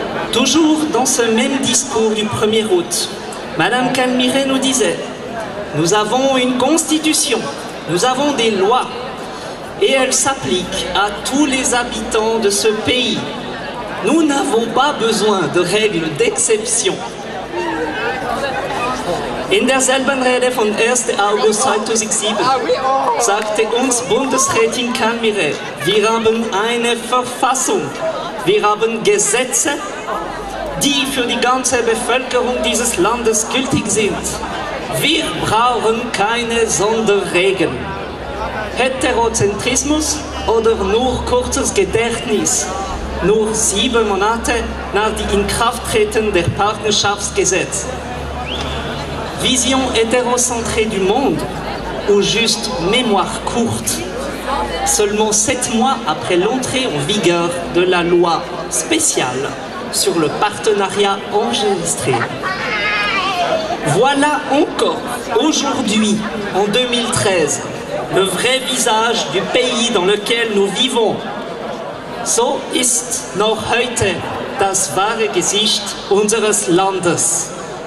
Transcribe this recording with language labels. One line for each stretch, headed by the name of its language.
French: Toujours dans ce même discours du 1er août, Madame Calmiret nous disait « Nous avons une constitution, nous avons des lois, et elles s'appliquent à tous les habitants de ce pays. Nous n'avons pas besoin de règles d'exception. »
German: In derselben Rede vom 1. August 2007 sagte uns Bundesrätin Calmiret, wir haben eine Verfassung, wir haben Gesetze, die für die ganze Bevölkerung dieses Landes gültig sind. Wir brauchen keine Sonderregeln. Heterozentrismus oder nur kurzes Gedächtnis? Nur 7 Monate nach dem Inkrafttreten der Partnerschaftsgesetz.
French: Vision hétérocentrée du monde ou juste mémoire courte? Seulement 7 mois après l'entrée en vigueur de la loi spéciale sur le partenariat enregistré. Voilà encore, aujourd'hui, en 2013, le vrai visage du pays dans lequel nous vivons.
German: So ist noch heute das wahre Gesicht unseres Landes.